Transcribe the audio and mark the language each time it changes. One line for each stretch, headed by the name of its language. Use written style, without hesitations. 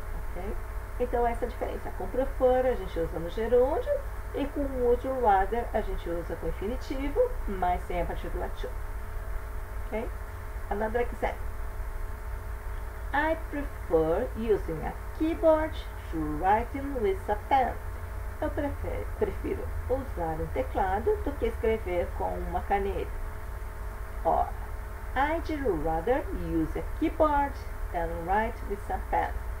Portuguese: Okay? Então essa é a diferença. Com prefer a gente usa no gerúndio e com would rather a gente usa com infinitivo, mas sem a partícula to. Okay?
English: Another example. I prefer using a keyboard writing with a pen.
Portuguese: Eu prefiro usar um teclado do que escrever com uma caneta.
English: Or, I'd rather use a keyboard than write with a pen.